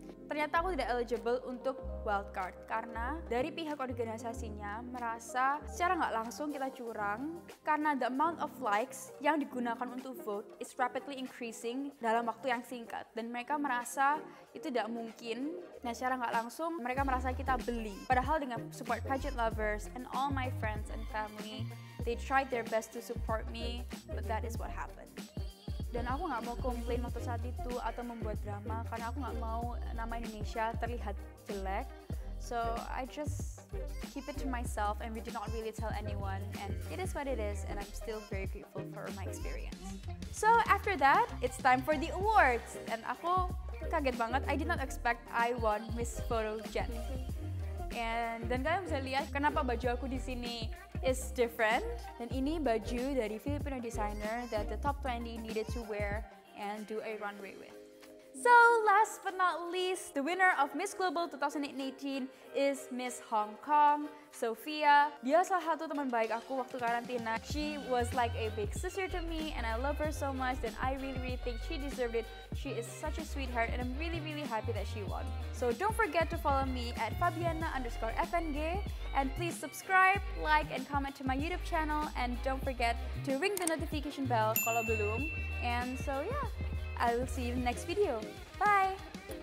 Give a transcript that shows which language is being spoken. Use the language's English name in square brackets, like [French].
[Indonesian] Ternyata aku tidak eligible untuk wildcard karena dari pihak organisasinya merasa secara nggak langsung kita curang karena [English] the amount of likes [Indonesian] yang digunakan untuk vote [English] is rapidly increasing [Indonesian] dalam waktu yang singkat dan mereka merasa itu tidak mungkin. Nah, secara nggak langsung mereka merasa kita beli. [English] Padahal dengan support pageant lovers and all my friends and family, they tried their best to support me, but that is what happened. [Indonesian] Dan aku gak mau komplain waktu saat itu atau membuat drama karena aku gak mau nama Indonesia terlihat jelek. [English] So I just keep it to myself and we did not really tell anyone and it is what it is and I'm still very grateful for my experience. So after that, it's time for the awards. And [Indonesian] aku kaget banget, [English] I did not expect I won Miss Photogenic. [Indonesian] Dan kalian bisa lihat kenapa baju aku di sini [English] is different. [Indonesian] Dan ini baju dari [English] Filipino designer that the top 20 needed to wear and do a runway with. So last but not least, the winner of Miss Global 2018 is Miss Hong Kong, Sophia. [Indonesian] Dia salah satu teman baik aku waktu karantina. [English] She was like a big sister to me and I love her so much that I really really think she deserved it. She is such a sweetheart and I'm really really happy that she won. So don't forget to follow me at Fabienne_FNG and please subscribe, like and comment to my YouTube channel and don't forget to ring the notification bell [Indonesian] kalau belum. [English] And so yeah, I will see you in the next video. Bye!